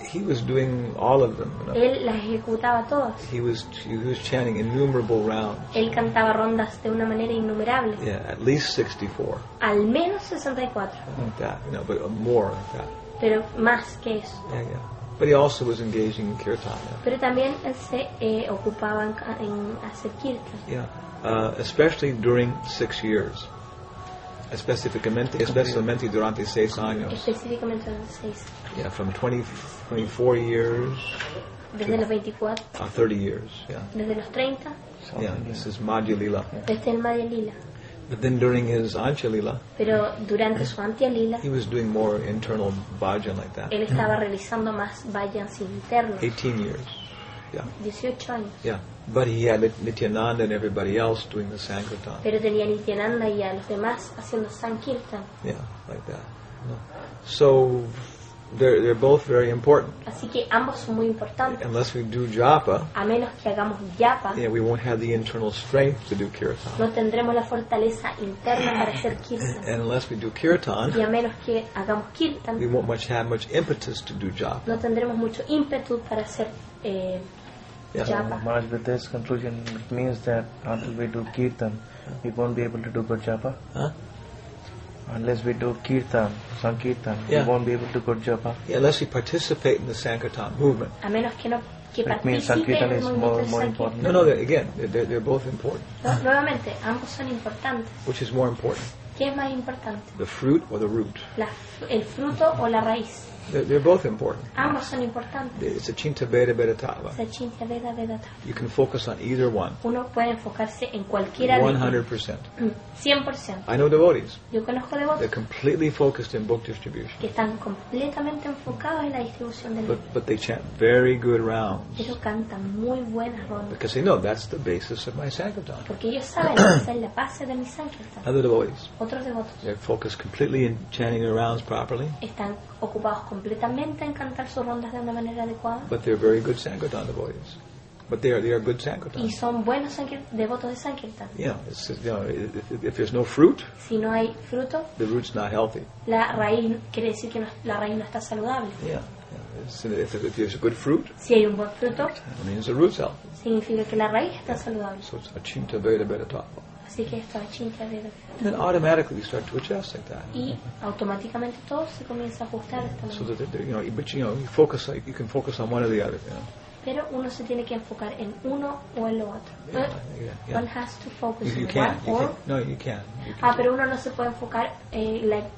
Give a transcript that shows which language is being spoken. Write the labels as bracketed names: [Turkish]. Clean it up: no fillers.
[English] He was doing all of them. You know? [Spanish] Él las ejecutaba todas. [English] He was chanting innumerable rounds. [Spanish] Él cantaba rondas de una manera innumerable. [English] Yeah, at least 64. [Spanish] Al menos 64. [English] Like that, you know, but more like that. [Spanish] Pero más que eso. [English] Yeah, yeah. But he also was engaging in kirtan. Yeah. [Spanish] Pero también él se ocupaba en hacer kirtan. [English] Yeah, especially during 6 years. [Spanish] Especificamente durante 6 años. Específicamente durante 6. [English] Yeah, from 24 years. [Spanish] Desde los 24. [English] 30 years. Yeah. [Spanish] Desde los 30. [English] So, yeah, this is Madhya Lila. [Spanish] Desde el Madhya Lila. [English] But then during his Ancha Lila, [Spanish] pero durante su Ancha Lila, [English] he was doing more internal bhajan like that. [Spanish] Él estaba realizando más bhajans internos. [English] 18 years. Yeah. [Spanish] 18 años. [English] Yeah. But he had Nityananda and everybody else doing the Sankirtan. [Spanish] Pero tenía Nityananda y a los demás haciendo Sankirtan. [English] Yeah, like that. No. So they're both very important. [Spanish] Así que ambos son muy importantes. [English] Unless we do japa, [Spanish] a menos que hagamos japa, [English] yeah, we won't have the internal strength to do kirtan. [Spanish] No tendremos la fortaleza interna para hacer kirtan. [English] And unless we do kirtan, [Spanish] y a menos que hagamos kirtan, [English] we won't have much impetus to do japa. [Spanish] No tendremos mucho ímpetu para hacer japa. [English] Maharaj, with this conclusion, it means that until we do kirtan, we won't be able to do good japa. Huh? Unless we do kirtan, sankirtan, yeah, we won't be able to go to japa. Yeah, unless we participate in the sankirtan movement. [Spanish] A menos que no, que [English] it means sankirtan is more important. No, again, they're both important. [Spanish] Nuevamente, ambos son importantes. [English] Which is more important? [Spanish] ¿Qué es más importante? [English] The fruit or the root? [Spanish] El fruto o la raíz? [English] They're both important. [Spanish] Ambos son importantes. [English] It's a chinta veda veda tava. You can focus on either one. [Spanish] Uno puede enfocarse en cualquiera. [English] 100%. [Spanish] 100%. [English] I know devotees. [Spanish] Yo conozco devotees. [English] They're completely focused in book distribution. [Spanish] Que están completamente enfocados en la distribución del. [English] But they chant very good rounds. [Spanish] Ellos cantan muy buenas rondas. [English] Because they know that's the basis of my sankirtan. [Spanish] Porque ellos saben que esa es la base de mi sankirtan. [English] Other devotees. [Spanish] Otros devotos. [English] They're focused completely in chanting their rounds properly. [Spanish] Están ocupados completamente en cantar sus rondas de una manera adecuada. [English] But they're very good sankirtan devotees. But they are good sankirtan. [Spanish] Y son buenos devotos de sankirtan. [English] Yeah, if there's no fruit. [Spanish] Si no hay fruto. [English] The root's not healthy. [Spanish] La raíz quiere decir que la raíz no está saludable. [English] Yeah. If there's a good fruit. [Spanish] Si hay un buen fruto. [English] That means the root's healthy. [Spanish] Significa que la raíz está saludable. [English] So it's achinta veda veda tava. [Spanish] Así que esto achinta veda. [English] Then automatically you start to adjust like that. [Spanish] Y automáticamente todo se comienza a ajustar. [English] So that you focus, you can focus on one or the other. You know. [Spanish] Pero uno se tiene que enfocar en uno o en lo otro. [English] Yeah. One has to focus on one or. No, you can. [Spanish] Ah, pero uno no se puede enfocar like.